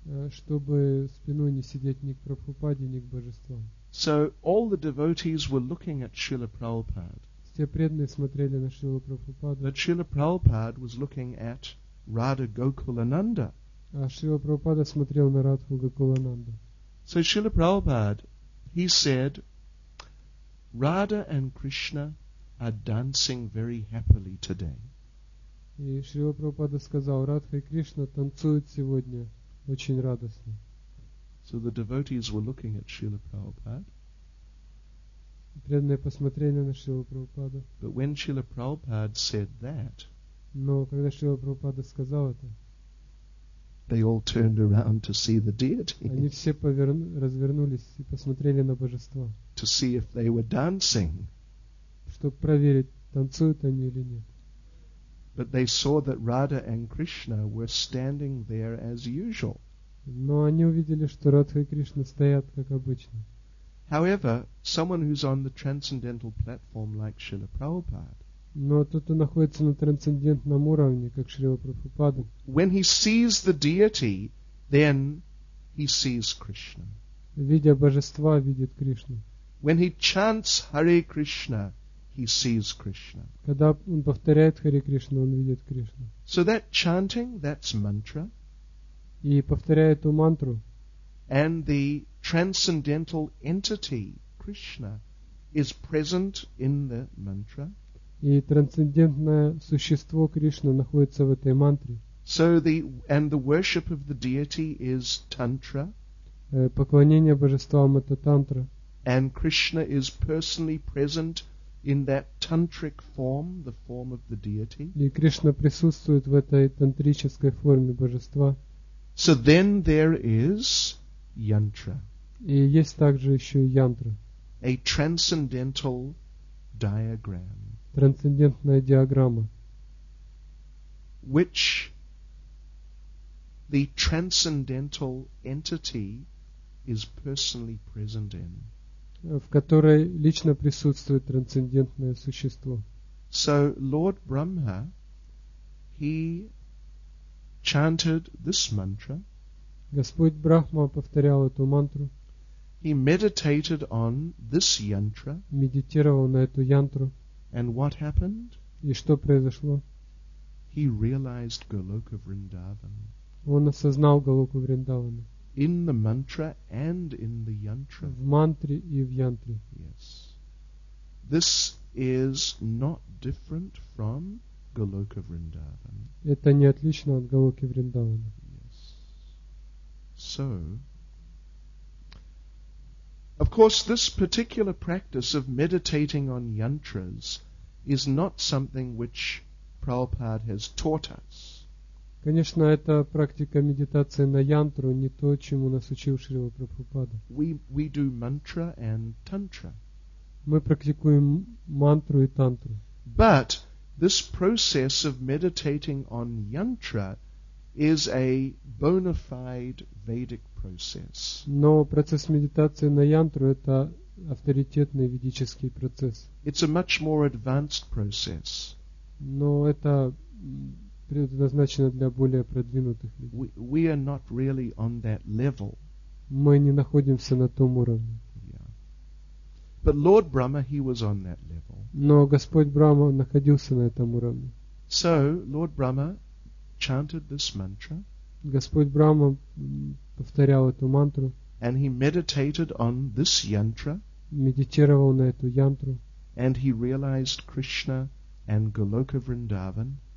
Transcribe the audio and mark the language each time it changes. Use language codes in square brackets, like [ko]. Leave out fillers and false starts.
[ru] Чтобы спиной не сидеть ни к Прабхупаде, ни к божествам. [en] So all the devotees were looking at Srila Prabhupada. [ru] Все преданные смотрели на Шрилу Прабхупаду. [en] But Srila Prabhupada was looking at Radha Gokulananda. [ru] А Шрила Прабхупада смотрел на Радху Гокулананду. [en] So Srila Prabhupada, he said, Radha and Krishna are dancing very happily today. [ru] И Шрила Прабхупада сказал, Радха и Кришна танцуют сегодня очень радостно. [en] So the devotees were looking at Srila Prabhupada. [ru] Преданные посмотрели на Шрилу Прабхупаду. [en] But when Srila Prabhupada said that, [ru] но когда Шрила Прабхупада сказал это, [en] they all turned around to see the deity. [ru] Они все развернулись и посмотрели на божество. [en] To see if they were dancing. [ru] Чтобы проверить, танцуют они или нет. [en] But they saw that Radha and Krishna were standing there as usual. [ru] Но они увидели, что Радха и Кришна стоят как обычно. [en] However, someone who's on the transcendental platform like Srila Prabhupada. [ru] Но тот, кто находится на трансцендентном уровне, как Шрила Прабхупада. [en] When he sees the deity, then he sees Krishna. [ru] Видя божества, видит Кришну. [en] When he chants Hare Krishna, he sees Krishna. [ru] Когда он повторяет Харе Кришна, он видит Кришну. [en] So that chanting, that's mantra. [ru] И повторяя эту мантру. [en] And the transcendental entity, Krishna, is present in the mantra. [ru] И трансцендентное существо Кришна находится в этой мантре. [en] So the worship of the deity is tantra. [ru] Поклонение божествам это тантра. [en] And Krishna is personally present in that tantric form, the form of the deity. [ru] И Кришна присутствует в этой тантрической форме божества. [en] So then there is yantra. [ru] И есть также еще yantra. [en] A transcendental diagram. [ru] Трансцендентная диаграмма. [en] Which the transcendental entity is personally present in. [ru] В которой лично присутствует трансцендентное существо. [en] So Lord Brahma, he chanted this mantra. [ru] Господь Брахма повторял эту мантру. [en] He meditated on this yantra. [ru] Медитировал на эту yantra. [en] And what happened? [ru] И что произошло? [en] He realized Goloka Vrindavan. [ru] Он осознал Голоку Вриндавана. [en] In the mantra and in the yantra. [ru] В мантре и в yantra. [en] Yes. This is not different from Goloka Vrindavan. [ru] Это не отлично от Голоки Вриндавана. [en] Yes. So, of course, this particular practice of meditating on yantras is not something which Prabhupada has taught us. [ru] Конечно, эта практика медитации на yantru не то, чему нас учил Шрила Прабхупада. [en] We do mantra and tantra. [ru] Мы практикуем мантру и тантру. [en] But this process of meditating on yantra is a bona fide Vedic process. [ru] Но процесс медитации на yantru это авторитетный ведический процесс. [en] It's a much more advanced process. [ru] Но это предназначено для более продвинутых людей. [en] We are not really on that level. [ru] Мы не находимся на том уровне. [en] Yeah. But Lord Brahma, he was on that level. [ru] Но Господь Брахма находился на этом уровне. [en] So Lord Brahma chanted this mantra. [ru] Господь Брахма повторял эту мантру. [en] And he meditated on this yantra. [ru] Медитировал на эту yantru. [en] And he realized Krishna and Goloka Vrindavan.